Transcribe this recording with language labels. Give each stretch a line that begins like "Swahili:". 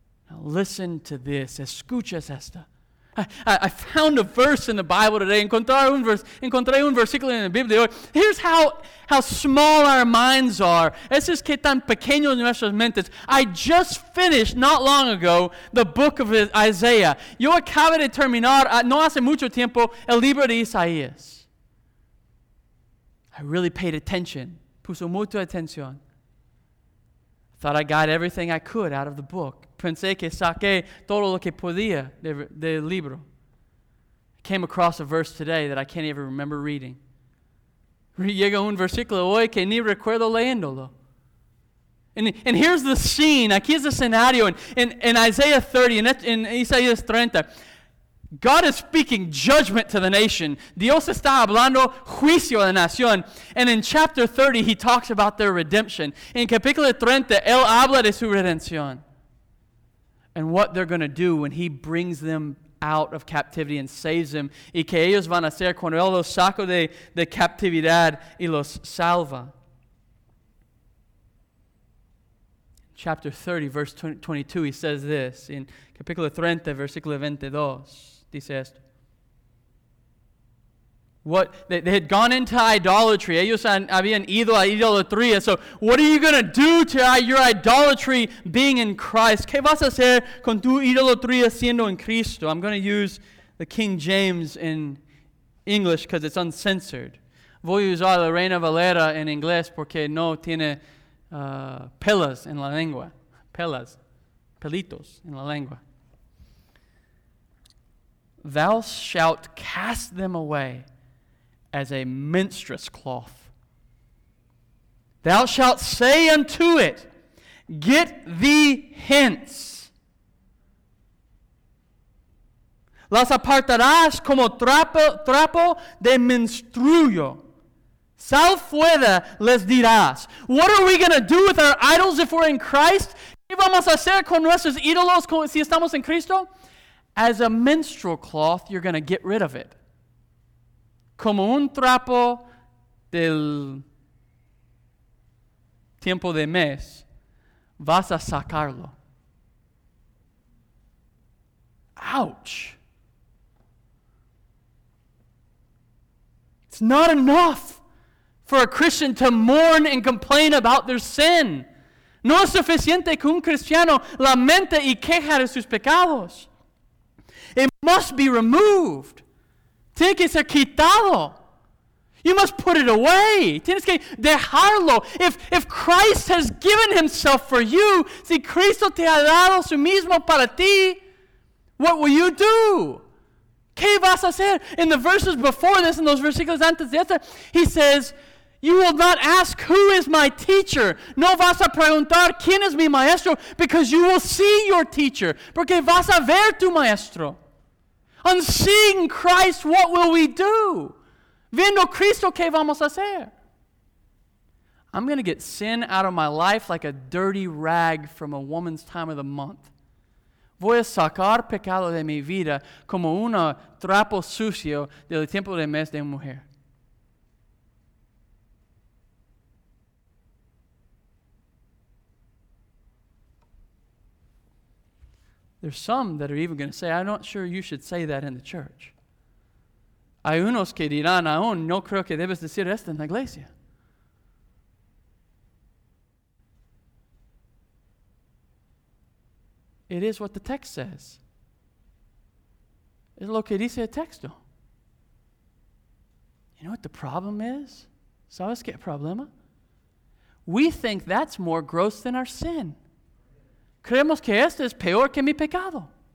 English: Now listen to this.
Spanish: Escuchas esta.
English: I found a verse in the Bible today.
Spanish: Encontré un versículo en la Biblia hoy.
English: Here's how small our minds are.
Spanish: Eso es que tan pequeños nuestras mentes.
English: I just finished, not long ago, the book of Isaiah.
Spanish: Yo acabo de terminar, no hace mucho tiempo, el libro de Isaías.
English: I really paid attention.
Spanish: Puso mucha atención.
English: Thought I got everything I could out of the book.
Spanish: Pensé que saqué todo lo que podía del libro.
English: I came across a verse today that I can't even remember reading.
Spanish: Llega un versículo hoy que ni recuerdo leyéndolo.
English: And here's the scene.
Spanish: Aquí es el escenario
English: in Isaiah 30, in Isaías 30. God is speaking judgment to the nation.
Spanish: Dios está hablando juicio a la nación.
English: And in chapter 30, he talks about their redemption.
Spanish: En capítulo 30, él habla de su redención.
English: And what they're going to do when he brings them out of captivity and saves them.
Spanish: Y que ellos van a hacer cuando él los saca de captividad y los salva.
English: Chapter 30, verse 22, he says this. In capítulo 30, versículo 22.
Spanish: Dice esto.
English: What they had gone into idolatry.
Spanish: Ellos habían ido a idolatría.
English: So what are you going to do to your idolatry being in Christ?
Spanish: ¿Qué vas a hacer con tu idolatría siendo en Cristo?
English: I'm going to use the King James in English because it's uncensored.
Spanish: Voy a usar la Reina Valera en inglés porque no tiene pelas en la lengua. Pelas. Pelitos en la lengua.
English: Thou shalt cast them away as a minstrel's cloth. Thou shalt say unto it, get thee hence.
Spanish: Las apartarás como trapo de menstruo. Sal fuera les dirás.
English: What are we going to do with our idols if we're in Christ?
Spanish: ¿Qué vamos a hacer con nuestros ídolos si estamos en Cristo?
English: As a menstrual cloth, you're going to get rid of it.
Spanish: Como un trapo del tiempo de mes, vas a sacarlo.
English: Ouch! It's not enough for a Christian to mourn and complain about their sin.
Spanish: No es suficiente que un cristiano lamente y queja de sus pecados.
English: It must be removed.
Spanish: Tiene que ser quitado.
English: You must put it away.
Spanish: Tienes que dejarlo.
English: If Christ has given himself for you,
Spanish: si Cristo te ha dado su mismo para ti,
English: what will you do?
Spanish: ¿Qué vas a hacer?
English: In the verses before this, in those
Spanish: versículos antes de este,
English: he says, you will not ask who is my teacher.
Spanish: No vas a preguntar quién es mi maestro,
English: because you will see your teacher.
Spanish: Porque vas a ver tu maestro.
English: On seeing Christ, what will we do?
Spanish: Viendo Cristo, ¿qué vamos a hacer?
English: I'm going to get sin out of my life like a dirty rag from a woman's time of the month.
Spanish: Voy a sacar pecado de mi vida como un trapo sucio del tiempo de mes de mujer.
English: There's some that are even going to say, I'm not sure you should say that in the church.
Spanish: Hay unos que dirán aún, no creo que debes decir esto en la iglesia.
English: It is what the text says.
Spanish: Es lo que dice el texto.
English: You know what the problem is?
Spanish: ¿Sabes qué problema?
English: We think that's more gross than our sin.
Spanish: Creemos que esto es peor que mi pecado.